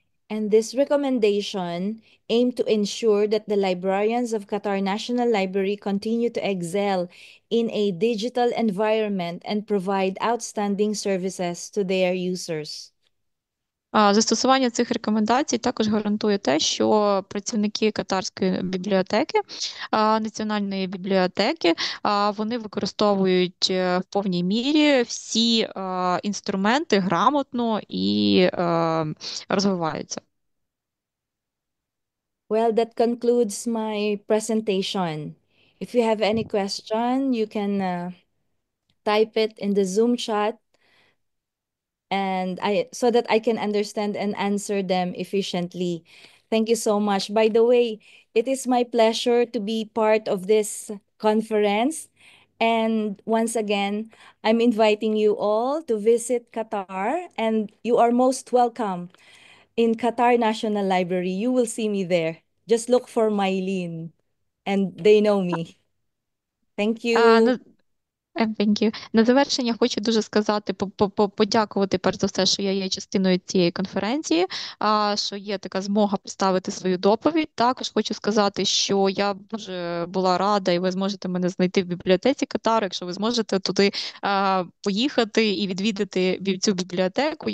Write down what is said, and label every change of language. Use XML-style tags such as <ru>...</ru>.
<en>And this recommendation aims to ensure that the librarians of Qatar National Library continue to excel in a digital environment and provide outstanding services to their users.</en> <uk>Застосування цих рекомендацій також гарантує те, що працівники Катарської бібліотеки, Національної бібліотеки, вони використовують в повній мірі всі інструменти грамотно і розвиваються.</uk> <en>Well, that concludes my presentation. If you have any question, you can type it in the Zoom chat. And so that I can understand and answer them efficiently. Thank you so much. By the way, it is my pleasure to be part of this conference. And once again, I'm inviting you all to visit Qatar, and you are most welcome in Qatar National Library. You will see me there. Just look for Mylene, and they know me. Thank you. Thank you.</en> <uk>На завершення хочу дуже сказати, подякувати перш за все, що я є частиною цієї конференції, що є така змога поставити свою доповідь. Також хочу сказати, що я дуже була рада, і ви зможете мене знайти в бібліотеці Катару, якщо ви зможете туди поїхати і відвідати цю бібліотеку.</uk>